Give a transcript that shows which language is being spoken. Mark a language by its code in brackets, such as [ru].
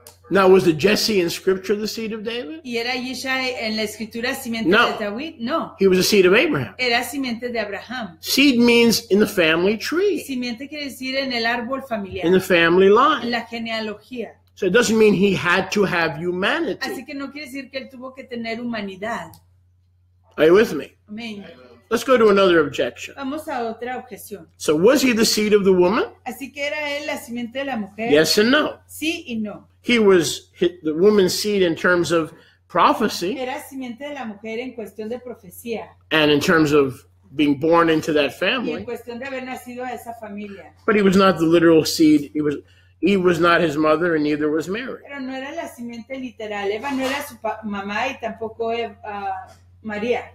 [en] Now, was the Jesse in Scripture the seed of David? [es] ¿Y era Yishai en la Escritura simiente no. de David? No. [en] He was the seed of Abraham. [es] Era simiente de Abraham. [en] Seed means in the family tree. [es] Simiente quiere decir en el árbol familiar. [en] In the family line. [es] En la genealogía. [en] So it doesn't mean he had to have humanity. [es] Así que no quiere decir que él tuvo que tener humanidad. [en] Are you with me? Amen. Let's go to another objection. [es] Vamos a otra objeción. [en] So was he the seed of the woman? [es] Así que era él la simiente de la mujer. [en] Yes and no. [es] Sí y no. [en] He was the woman's seed in terms of prophecy. [es] Era simiente de la mujer en cuestión de profecía. [en] And in terms of being born into that family. [es] Y en cuestión de haber nacido a esa familia. [en] But he was not the literal seed. He was not his mother and neither was Mary. [es] Pero no era la simiente literal. Eva no era su mamá y tampoco Eva, María.